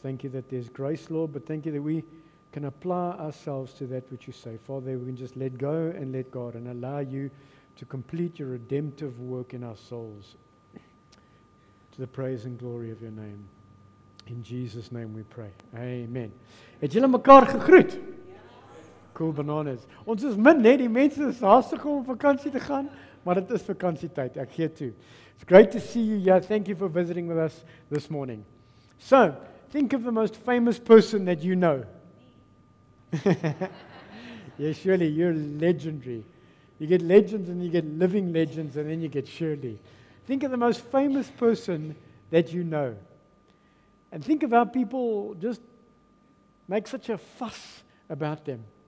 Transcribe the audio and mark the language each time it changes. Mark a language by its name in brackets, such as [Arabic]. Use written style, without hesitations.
[English] Thank you that there's grace, Lord, but thank you that we can apply ourselves to that which you say. Father, we can just let go and let God and allow you to complete your redemptive work in our souls to the praise and glory of your name. In Jesus' name we pray. Amen. [Afrikaans] Het julle mekaar gegroet? [English] Cool bananas. [Afrikaans] Ons is min, nee, die mense is haastig om vakantie te gaan, maar het is vakantietijd, ek gee toe. [English] It's great to see you. Yeah, thank you for visiting with us this morning. So, think of the most famous person that you know. Yes, yeah, Shirley, you're legendary. You get legends and you get living legends and then you get Shirley. Think of the most famous person that you know. And think of how people just make such a fuss about them.